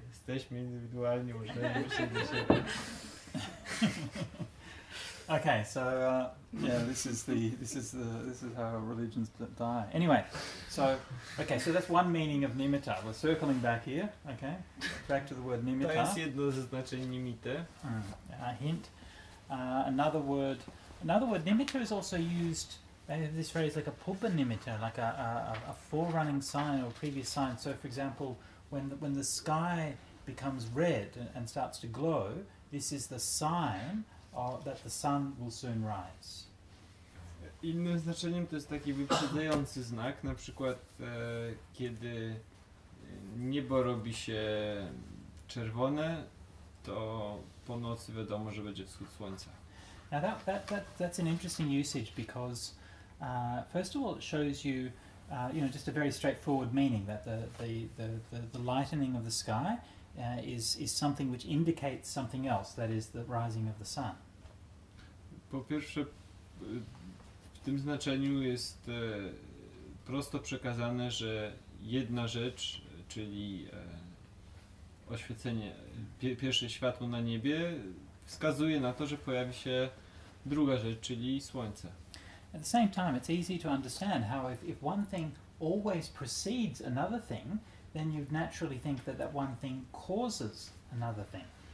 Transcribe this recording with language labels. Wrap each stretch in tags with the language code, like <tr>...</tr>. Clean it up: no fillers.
<pl>Jesteśmy indywidualni, możemy myśleć za siebie.</pl> <en>Okay, so yeah, this is how religions die. Anyway, so okay, so that's one meaning of nimitta. We're circling back here, okay? Back to the word nimitta.</en> <pl>To jest jedno ze znaczeń nimitty.</pl> <en>A hint. Another word nimitta is also used, this phrase, like a pupa nimitta, like a forerunning sign or previous sign. So for example, when the sky becomes red and starts to glow, this is the sign that the sun will soon rise.</en> <pl>Innym znaczeniem to jest taki wyprzedzający znak, na przykład kiedy niebo robi się czerwone, to po nocy wiadomo, że będzie wschód słońca.</pl> <en>Now that's an interesting usage because first of all it shows you you know, just a very straightforward meaning that the lightening of the sky is something which indicates something else, that is the rising of the sun.</en> <pl>Po pierwsze, w tym znaczeniu jest prosto przekazane, że jedna rzecz, czyli oświecenie, pierwsze światło na niebie, wskazuje na to, że pojawi się druga rzecz, czyli słońce.</pl> <en>At the same time, it's easy to understand how if one thing always precedes another thing, then you'd naturally think that that one thing causes another thing.</en>